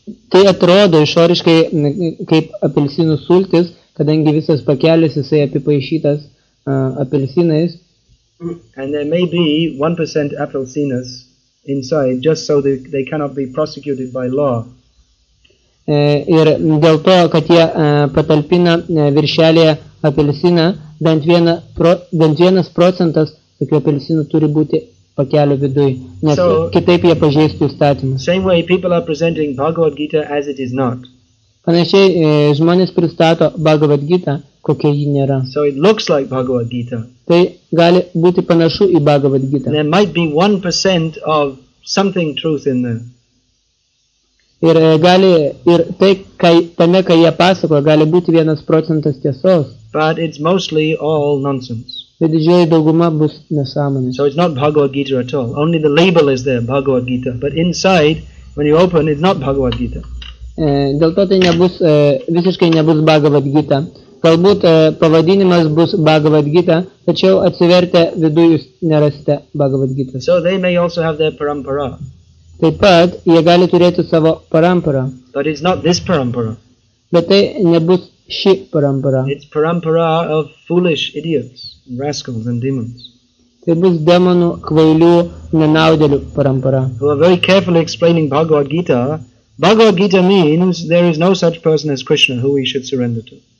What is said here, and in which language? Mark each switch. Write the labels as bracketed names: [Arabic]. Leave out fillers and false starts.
[Lithuanian] Tai atrodo išoriškai kaip apelsinų sultis, kadangi visas pakelis jisai apipaišytas apelsinais. [English] And there may be 1% [Lithuanian] apelsinas [English] inside just so they cannot be prosecuted by law. [Lithuanian] Ir dėl to, kad jie patalpina viršelį apelsiną, bent vienas procentas tokių apelsinų turi būti pakelio viduj, nes so, kitaip jie pažeistų įstatymą. [English] Same way people are presenting Bhagavad Gita as it is not. [Lithuanian] Panašiai žmonės pristato Bhagavad Gita, kokia ji nėra. [English] So it looks like Bhagavad Gita. [Lithuanian] Tai gali būti panašu į Bhagavad Gita. [English] There might be 1% of something truth in there. [Lithuanian] Ir gali ir tai, kai tame, kai jie pasako, gali būti vienas procentas tiesos. [English] But it's mostly all nonsense. [Lithuanian] Bet didžioji dauguma bus nesąmonės. [English] So it's not Bhagavad Gita at all. Only the label is there, Bhagavad Gita. But inside, when you open, it's not Bhagavad Gita. [Lithuanian] Dėl to tai nebus, visiškai nebus Bhagavad Gita. Galbūt pavadinimas bus Bhagavad Gita, tačiau atsivertę vidų jūs nerasite Bhagavad Gita. [English] So they may also have their parampara. [Lithuanian] Taip pat jie gali turėti savo parampara. [English] But it's not this parampara. [Lithuanian] Bet tai nebus ši parampara. [English] It's parampara of foolish idiots, rascals and demons. [Lithuanian] Tai bus demonų, kvailių, nenaudėlių parampara. [English] Who are very carefully explaining Bhagavad Gita. Bhagavad Gita means there is no such person as Krishna who we should surrender to.